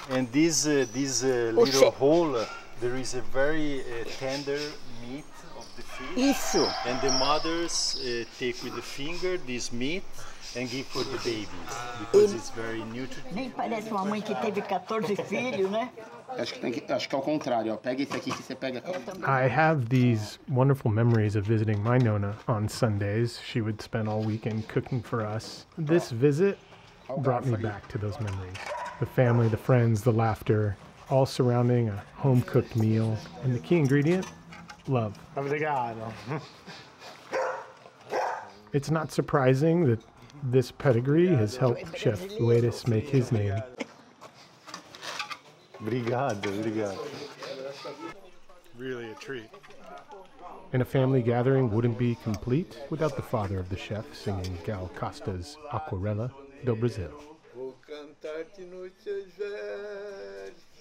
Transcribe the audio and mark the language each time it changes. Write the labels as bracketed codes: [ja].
[en] And this little hole, there is a very tender meat of the fish. [pt] Isso. [en] And the mothers take with the finger this meat and give for the babies. Because it's very nutritive. [pt] Nem parece uma mãe que teve 14 filhos, né? Acho que é o contrário. Pega esse aqui que você pega. [en] I have these wonderful memories of visiting my Nona on Sundays. She would spend all weekend cooking for us. This visit brought me back to those memories. The family, the friends, the laughter, all surrounding a home-cooked meal. And the key ingredient? Love. [pt] Obrigado. [en] It's not surprising that this pedigree has helped Chef Uedes make his name. [pt] Obrigado, obrigado. [en] Really a treat. And a family gathering wouldn't be complete without the father of the chef singing Gal Costa's Aquarela do Brasil. [pt] Vou cantar de noite as versos.